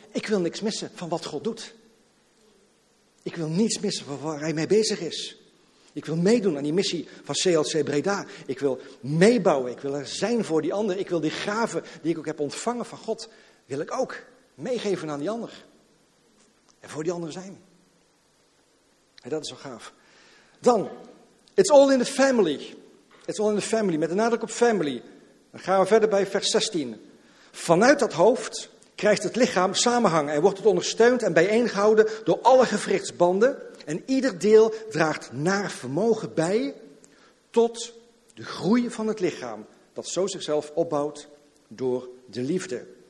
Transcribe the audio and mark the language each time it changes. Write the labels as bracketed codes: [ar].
[nl] Ik wil niks missen van wat God doet. Ik wil niets missen van waar hij mee bezig is. Ik wil meedoen aan die missie van CLC Breda. Ik wil meebouwen. Ik wil er zijn voor die ander. Ik wil die gaven die ik ook heb ontvangen van God, wil ik ook meegeven aan die ander. En voor die ander zijn. En dat is wel gaaf. [en] Dan, it's all in the family. It's all in the family. [nl] Met de nadruk op family. Dan gaan we verder bij vers 16. Vanuit dat hoofd krijgt het lichaam samenhang en wordt het ondersteund en bijeengehouden door alle gewrichtsbanden. En ieder deel draagt naar vermogen bij tot de groei van het lichaam, dat zo zichzelf opbouwt door de liefde.